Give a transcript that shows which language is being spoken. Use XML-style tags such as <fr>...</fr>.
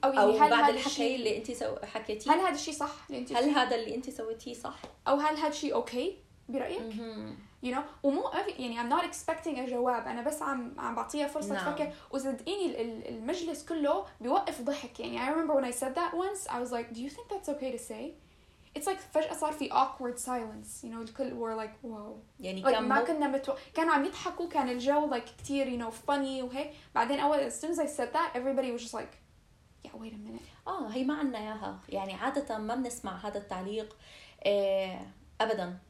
<ar>أو هل بعد الحكي اللي أنت حكيتي هل هذا الشيء صح هل هذا اللي أنت سويتيه صح أو هل هذا شيء أوكي برأيك</ar> <en>you know.</en> <ar>ومو يعني</ar> <en>I'm not expecting a</en> <ar>جواب, أنا بس عم بعطيها فرصة تفكر. وصدقيني المجلس كله بيوقف ضحك. يعني</ar> <en>I remember when I said that once, I was like, do you think that's okay to say? It's like</en> <ar>فجأة صار في</ar> <en>awkward silence, you know,</en> <ar>الكل</ar> <en>were like, wow.</en> <ar>يعني like ما كنا كانوا عم يضحكوا, كان الجو like كتير,</ar> <en>you know,</en> <ar>funny وهي. بعدين أول</ar> <en>as soon as I said that, everybody was just like, yeah, wait a minute.</en> <ar>آه هي ما عنا ياها. يعني عادة ما بنسمع هذا التعليق أبدا.</ar>